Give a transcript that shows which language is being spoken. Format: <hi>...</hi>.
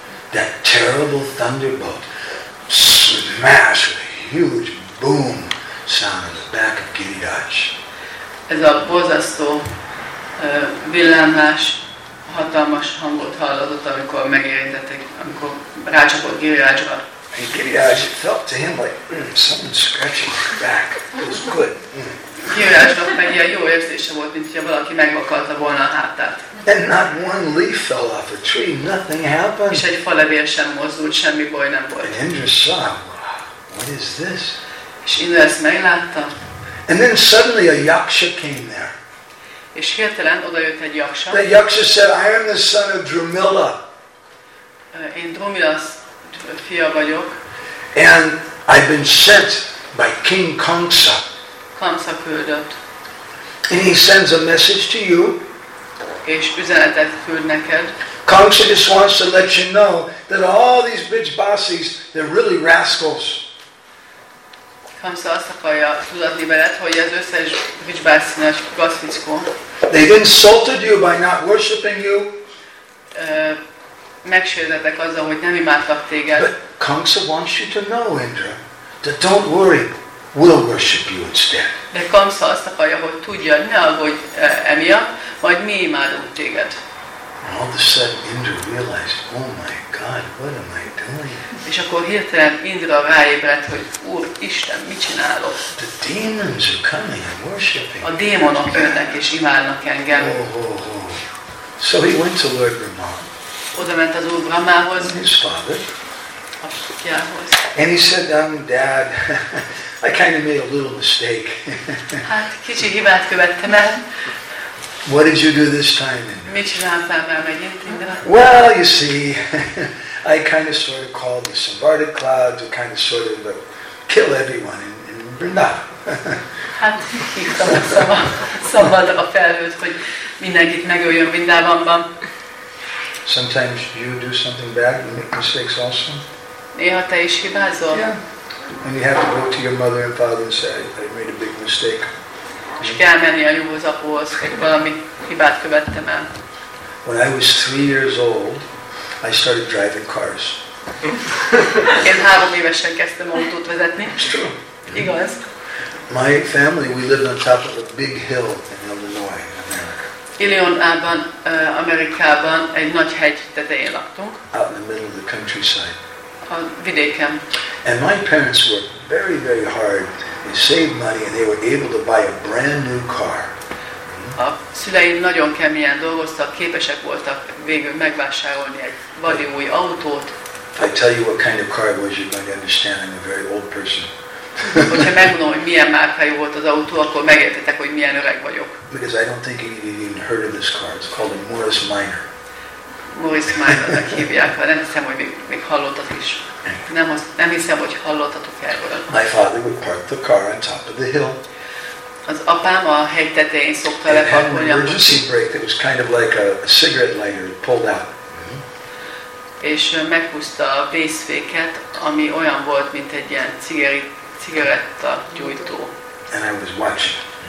<en>That terrible thunderbolt smashed with a huge boom sound on the back of Giriraj.</en> <hu>ez a borzasztó villámlás hatalmas hangot hallott, amikor megérintették, amikor rácsapott Giriácsra.</hu> <en>And Giriács felt to him like something scratching his back. It was good.</en> <hu>Giriácsnak meg ilyen jó érzése volt, mint hogyha valaki megvakarta volna a hátát.</hu> <en>And not one leaf fell off a tree, nothing happened.</en> <hu>És egy falevél sem mozdult, semmi baj nem volt.</hu> <en>And Indra saw, what is this?</en> <hu>És Indra ezt meglátta.</hu> <en>And then suddenly a yaksha came there.</en> <hu>És hirtelen odajött egy yaksha.</hu> <en>The yaksha said, I am the son of Drumilla.</en> <hu>Én Drumilla fia vagyok.</hu> <en>And I've been sent by King Kamsa.</en> <hu>Kamsa küldött.</hu> <en>And he sends a message to you.</en> <hu>És üzenetet küld neked.</hu> <en>Kamsa just wants to let you know that all these bitch-bossies, they're really rascals.</en> <hu>Kamsa azt akarja tudatni veled, hogy ez összes bitch-bossinás gazfickó.</hu> <en>They've insulted you by not worshiping you.</en> <hu>Megsérdetek azzal, hogy nem imádtak téged.</hu> <en>But Kamsa wants you to know, Indra, that don't worry, we'll worship you instead.</en> <hu>De Kamsa azt akarja, hogy tudja, ne aggódj emiatt, majd mi imádunk téged.</hu> <en>And all of a sudden Indra realized, oh my God, what am I doing?</en> <hu>És akkor hirtelen Indra ráébredt, hogy Úr, Isten, mit csinálok?</hu> <en>The demons are coming and worshiping.</en> <hu>A démonok jönnek és imádnak engem.</hu> <en>Oh, oh, oh. So he went to Lord Brahma.</en> <hu>Oda ment az Úr Brahmához.</hu> <en>His father.</en> <hu>A fiához.</hu> <en>And he said, Dad, I kind of made a little mistake.</en> <hu>Hát, kicsi hibát követtem el.</hu> <en>What did you do this time, Indra?</en> <hu>Mit csináltál már megint, Indra?</hu> <en>Well, you see, I kind of sort of called the Sambarta cloud to kind of sort of kill everyone in Vrindavan.</en> <hu>Hát, hívtam a Sambarta a felhőt, hogy mindenkit megöljön Vrindavanban.</hu> <en>Sometimes you do something bad, you make mistakes also.</en> <hu>Néha te is hibázol.</hu> <en>Yeah. And you have to go to your mother and father and say, I made a big mistake.</en> <hu>És kell menni a jóhoz, apóhoz, hogy valami hibát követtem el.</hu> <en>When I was 3 years old, I started driving cars.</en> <hu>Én 3 évesen kezdtem autót vezetni.</hu> <en>It's true.</en> <hu>Igaz?</hu> <en>My family, we lived on top of a big hill in Illinois, America.</en> <hu>Illinois-ban, Amerikában egy nagy hegy tetején laktunk.</hu> <en>Out in the middle of the countryside.</en> <hu>A vidéken.</hu> <en>And my parents were very, very hard. They saved money and they were able to buy a brand new car.</en> <hu>A szüleim nagyon keményen dolgoztak, képesek voltak végül megvásárolni egy vadi új autót.</hu> <en>I tell you what kind of car it was, you're going to understand I'm a very old person.</en> <hu>Hogyha megmondom, hogy milyen márkájú volt az autó, akkor megértetek, hogy milyen öreg vagyok.</hu> <en>Because I don't think you've even heard of this car. It's called a Morris Minor.</en> <hu>Morris Minor-nak hívják, nem hiszem, hogy még hallottad is. Nem hiszem, hogy hallottatok erről.</hu> <en>My father would park the car on top of the hill.</en> <hu>Az apám a hegy tetején szokta leparkolni.</hu> <en>An emergency brake that was kind of like a cigarette lighter pulled out.</en> <hu>És meghúzta a vészféket, ami olyan volt, mint egy ilyen cigaretta gyújtó.</hu> <en>And I was watching.</en>